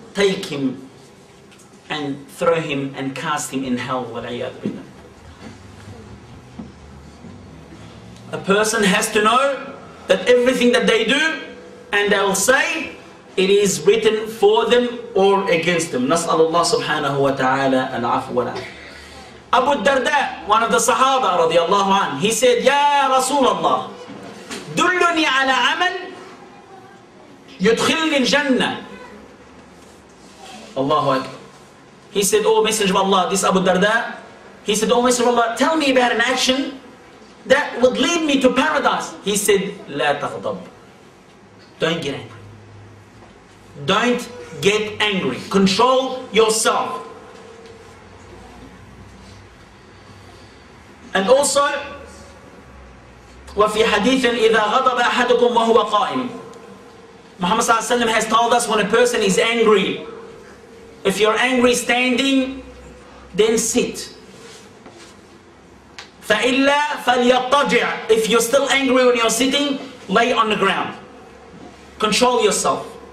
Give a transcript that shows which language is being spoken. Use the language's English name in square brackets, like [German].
[English] Take him and throw him and cast him in hell. [Arabic] وَالْعِيَاذُ بِاللَّهِ. [English] A person has to know that everything that they do and they will say, it is written for them or against them. [Arabic] نسأل الله سبحانه وتعالى العفو والعافية. Abu Darda, [English] one of the Sahaba [Arabic] رضي الله عنه, he said, يا رسول الله دلني على عمل يدخلني الجنة. الله أكبر. [English] He said, oh Messenger of Allah, this Abu Darda, he said, oh Messenger of Allah, tell me about an action that would lead me to paradise. He said, [Arabic] لا تغضب. [English] Don't get angry. Don't get angry. Control yourself. And also, [Arabic] وفي حديث إذا غضب أحدكم وهو قائم. [English] Muhammad صلى الله عليه وسلم has told us, when a person is angry, if you're angry standing, then sit. [Arabic] فإلا فليضطجع. [English] If you're still angry when you're sitting, lay on the ground. Control yourself.